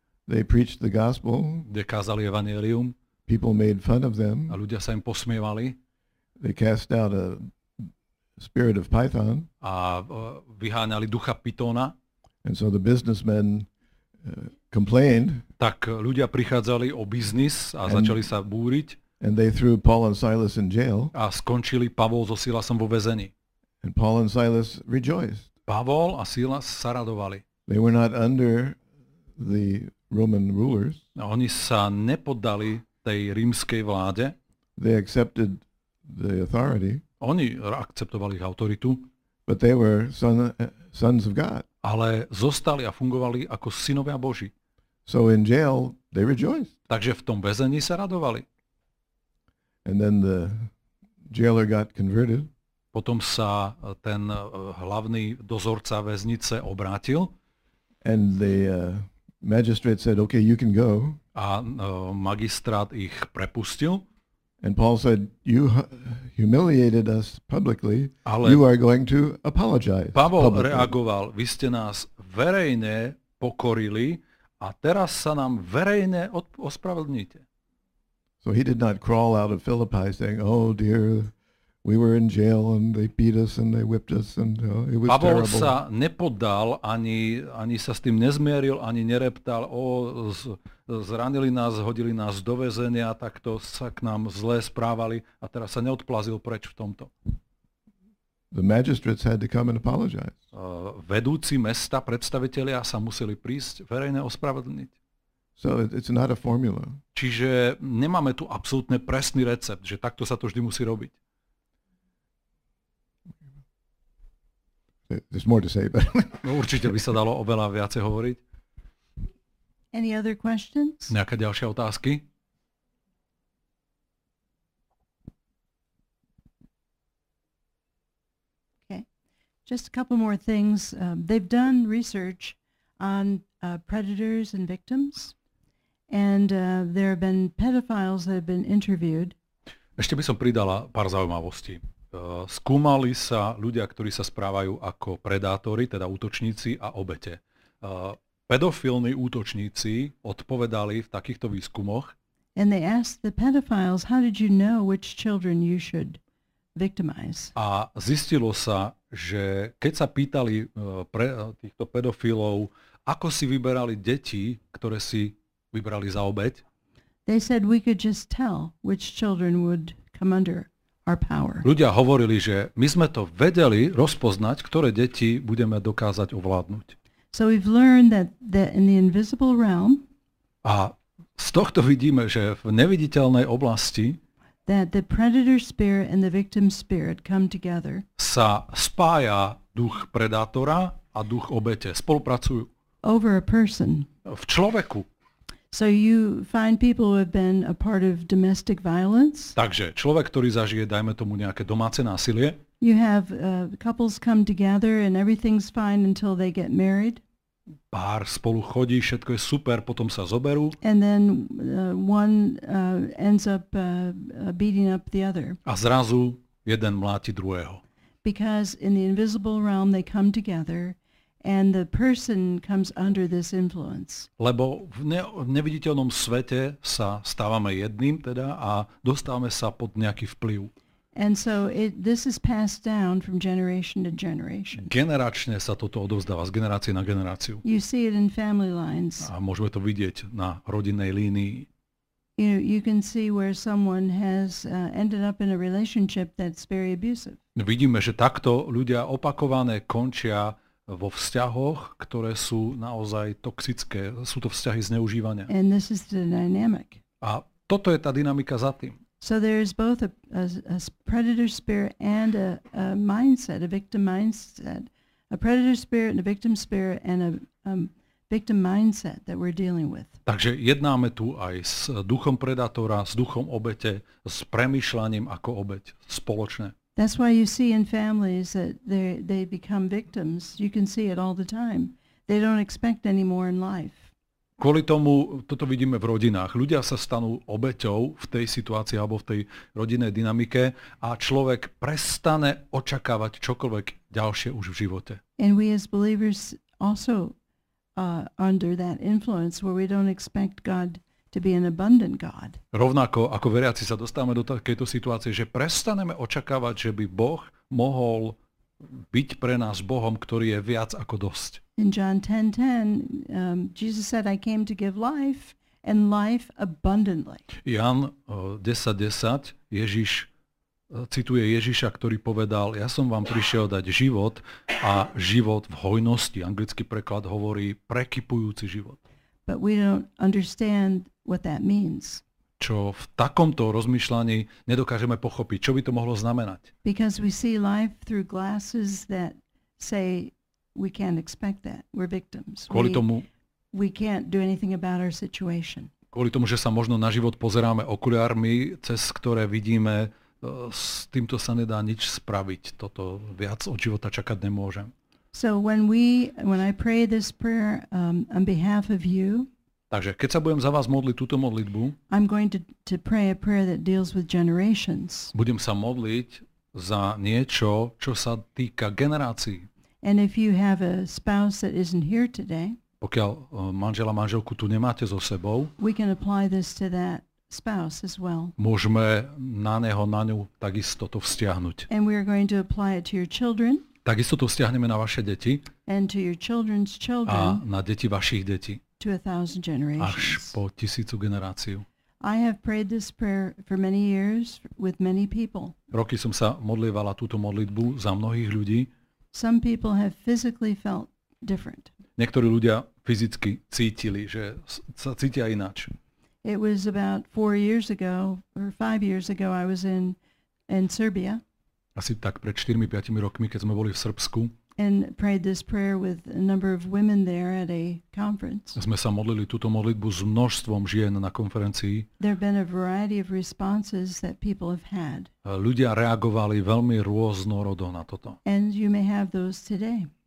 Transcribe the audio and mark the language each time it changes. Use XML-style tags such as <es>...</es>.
<en>they preached the gospel,</en> <sk>kde kázali evanjelium,</sk> <en>people made fun of them,</en> <sk>a ľudia sa im posmievali,</sk> <en>they cast out a spirit of Python,</en> <sk>a vyháňali ducha Pitóna,</sk> <en>and so the businessmen complained,</en> <sk>tak ľudia prichádzali o biznis a začali sa búriť,</sk> <en>and they threw Paul and Silas in jail,</en> <sk>a skončili Pavol so Silasom vo väzení.</sk> <en>And Paul and Silas rejoiced.</en> <sk>Pavol a Silas sa radovali.</sk> <en>They were not under the Roman rulers.</en> <sk>Oni sa nepoddali tej rímskej vláde.</sk> <en>They accepted the authority.</en> <sk>Oni akceptovali ich autoritu.</sk> <en>But they were sons of God.</en> <sk>Ale zostali a fungovali ako synovia Boží.</sk> <en>So in jail they rejoiced.</en> <sk>Takže v tom väzení sa radovali.</sk> <en>And then the jailer got converted.</en> <sk>Potom sa ten hlavný dozorca väznice obrátil.</sk> <en>And the magistrate said, okay, you can go.</en> <sk>A magistrát ich prepustil.</sk> <en>And Paul said, you humiliated us publicly.</en> <sk>Ale</sk> <en>you are going to apologize.</en> <sk>Pavol</sk> <en>publicly</en> <sk>reagoval, vy ste nás verejne pokorili a teraz sa nám verejne ospravedlnite.</sk> <en>So he did not crawl out of Philippi saying, oh dear, we were in jail and they beat us and they whipped us and it was terrible.</en> <sk>Pavol sa nepoddal, ani sa s tým nezmieril, ani nereptal. Zranili nás, hodili nás do väzenia, takto sa k nám zle správali a teraz sa neodplazil preč v tomto.</sk> <en>The magistrates had to come and apologize.</en> <sk>Vedúci mesta, predstavitelia sa museli prísť verejne ospravedlniť.</sk> <en>So it's not a formula.</en> <sk>Čiže nemáme tu absolútne presný recept, že takto sa to vždy musí robiť.</sk> <en>There's more to say, but</en> <sk>no, určite by sa dalo o veľa viacej hovoriť.</sk> <en>Any other questions?</en> <sk>Nejaké ďalšie otázky?</sk> <en>Okay. Just a couple more things. They've done research on predators and victims, and there have been pedophiles that have been interviewed.</en> <sk>Ešte by som pridala pár zaujímavostí. Skúmali sa ľudia, ktorí sa správajú ako predátori, teda útočníci a obete. Pedofilní útočníci odpovedali v takýchto výskumoch.</sk> <en>And they asked the pedophiles, how did you know which children you should victimize?</en> <sk>A zistilo sa, že keď sa pýtali pre týchto pedofilov, ako si vyberali deti, ktoré si vybrali za obeť,</sk> <en>they said we could just tell which children would come under our power.</en> <sk>Ľudia hovorili, že my sme to vedeli rozpoznať, ktoré deti budeme dokázať ovládnuť.</sk> <en>So we've learned that in the invisible realm,</en> <sk>a z tohto vidíme, že v neviditeľnej oblasti</sk> <en>that the predator spirit and the victim spirit come together,</en> <sk>sa spája duch predátora a duch obete, spolupracujú</sk> <en>over a person,</en> <sk>v človeku.</sk> <en>So you find people who have been a part of domestic violence?</en> <sk>Takže človek, ktorý zažije dajme tomu nejaké domáce násilie?</sk> <en>You have couples come together and everything's fine until they get married.</en> <sk>Pár spolu chodí, všetko je super, potom sa zoberú.</sk> <en>And then one ends up beating up the other.</en> <sk>A zrazu jeden mláti druhého.</sk> <en>Because in the invisible realm they come together and the person comes under this influence.</en> <sk>Lebo v neviditeľnom svete sa stávame jedným teda a dostávame sa pod nejaký vplyv.</sk> <en>And so this is passed down from generation to generation.</en> <sk>Generačne sa toto odovzdáva z generácie na generáciu.</sk> <en>You see it in family lines.</en> <sk>A môžeme to vidieť na rodinnej línii.</sk> <en>You can see where someone has ended up in a relationship that's very abusive.</en> <sk>Vidíme, že takto ľudia opakované končia vo vzťahoch, ktoré sú naozaj toxické. Sú to vzťahy zneužívania.</sk> <en>And this is the dynamic.</en> <sk>A toto je tá dynamika za tým.</sk> <en>So there is both a predator spirit and a mindset, a victim mindset. A predator spirit and a victim spirit and a victim mindset that we're dealing with.</en> <sk>Takže jednáme tu aj s duchom predátora, s duchom obete, s premyšľaním ako obeť spoločne.</sk> <en>That's why you see in families that they become victims. You can see it all the time. They don't expect any more in life.</en> <sk>Kvôli tomu, toto vidíme v rodinách, ľudia sa stanú obeťou v tej situácii alebo v tej rodinnej dynamike a človek prestane očakávať čokoľvek ďalšie už v živote.</sk> <en>And we as believers also under that influence where we don't expect God to be an abundant God.</en> <sk>Rovnako ako veriaci sa dostávame do takejto situácie, že prestaneme očakávať, že by Boh mohol byť pre nás Bohom, ktorý je viac ako dosť.</sk> <en>In John 10:10, Jesus said, I came to give life and life abundantly.</en> <sk>Jan 10:10, Ježiš cituje Ježiša, ktorý povedal, ja som vám prišiel dať život a život v hojnosti. Anglický preklad hovorí prekypujúci život.</sk> <en>But we don't understand what that means.</en> <sk>Čo v takomto rozmýšľaní nedokážeme pochopiť, čo by to mohlo znamenať.</sk> <en>Because we see life through glasses that say we can't expect that. We're victims.</en> <sk>Kvôli tomu,</sk> <en>we can't do anything about our situation.</en> <sk>Kvôli tomu, že sa možno na život pozeráme okuliármi, cez ktoré vidíme, s týmto sa nedá nič spraviť. Toto viac od života čakať nemôžem.</sk> <en>So when I pray this prayer on behalf of you,</en> <sk>takže keď sa budem za vás modliť túto modlitbu,</sk> <en>I'm going to pray a prayer that deals with generations.</en> <sk>Budem sa modliť za niečo, čo sa týka generácií.</sk> <en>And if you have a spouse that isn't here today,</en> <sk>pokiaľ manžela, manželku tu nemáte so sebou,</sk> <en>we can apply this to that spouse as well.</en> <sk>Môžeme na neho, na ňu takisto to vzťahnuť.</sk> <en>And we are going to apply it to your children.</en> <sk>Takisto to vzťahneme na vaše deti.</sk> <en>And to your children's children.</en> <sk>A na deti vašich detí.</sk> <en>To a thousand generations.</en> <sk>Až po tisícu generáciu.</sk> <en>I have prayed this prayer for many years with many people.</en> <sk>Roky som sa modlievala túto modlitbu za mnohých ľudí.</sk> <en>Some people have physically felt different.</en> <sk>Niektorí ľudia fyzicky cítili, že sa cítia ináč.</sk> <en>It was about 4 years ago, or 5 years ago, I was in Serbia.</en> <sk>Asi tak pred 4-5 rokmi, keď sme boli v Srbsku.</sk> <en>And prayed this prayer with a number of women there at a conference.</en> <sk>Sme sa modlili túto modlitbu s množstvom žien na konferencii.</sk> <en>There have been a variety of responses that people have had.</en> <sk>Ľudia reagovali veľmi rôznorodo na toto.</sk> <en>And you may have those today.</en>